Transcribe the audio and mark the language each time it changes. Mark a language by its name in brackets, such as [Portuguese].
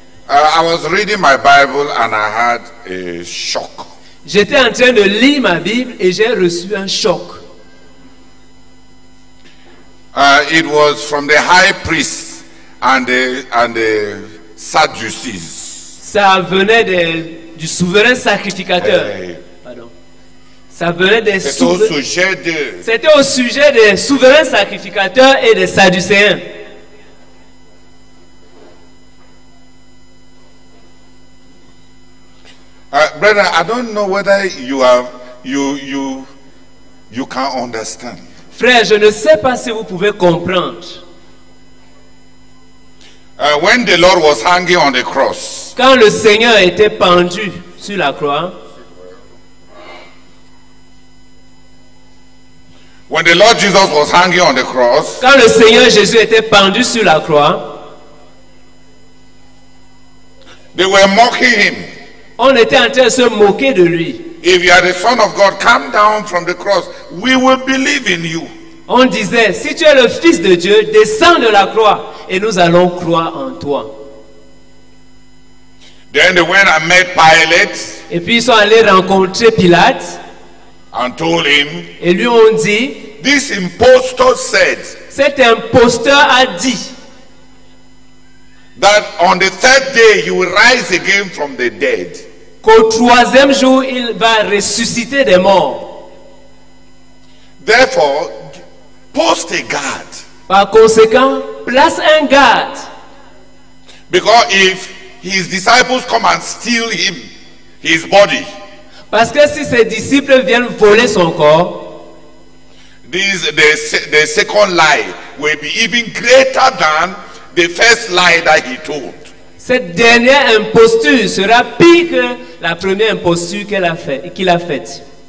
[English] I was reading my Bible and I had a shock. [French] J'étais en train de lire ma Bible et j'ai reçu un choc. [English] It was from the high priest and the Sadducees. [French] Ça venait du souverain sacrificateur. Ça venait des c'était au sujet des souverains sacrificateurs et des sadducéens. [English] Brother, I don't know whether you can understand. [French] Frère, je ne sais pas si vous pouvez comprendre. [English] When the Lord was hanging on the cross. [French] Quand le Seigneur était pendu sur la croix. [English] When the Lord Jesus was hanging on the cross, [French] quand le Seigneur Jésus était pendu sur la croix, [English] they were mocking him. [French] On était en train de se moquer de lui. [English] If you are the Son of God, come down from the cross. We will believe in you. [French] On disait, si tu es le Fils de Dieu, descends de la croix et nous allons croire en toi. [English] Then they went and met Pilate. [French] Et puis ils sont allés rencontrer Pilate. [English] And told him, [French] et lui on dit, [English] this impostor said, [French] cet imposteur a dit, [English] that on the third day he will rise again from the dead. [French] Qu'au troisième jour il va ressusciter des morts. [English] Therefore, post a guard. [French] Par conséquent, place un garde. [English] Because if his disciples come and steal him, his body. [French] Parce que si ses disciples viennent voler son corps, [English] the second lie will be even greater than the first lie that he told. [French] Cette dernière imposture sera pire que la première imposture qu'il a faite.